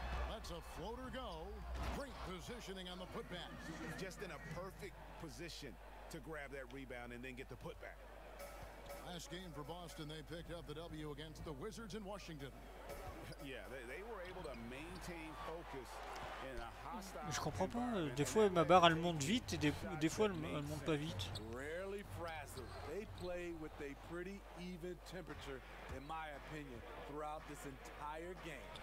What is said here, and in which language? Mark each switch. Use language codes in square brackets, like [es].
[en] That's a floater go. Great positioning on the putback. Just in a perfect position to grab that rebound and then get the putback. Last game for Boston, they picked up the W against the Wizards in Washington. Yeah, they were able to maintain focus in a hostile. [fr] Je comprends pas. Des fois, ma barre elle monte vite et des fois elle monte pas vite. [en] Rarely frazzled. They play with a pretty even temperature, in my opinion, throughout this entire game.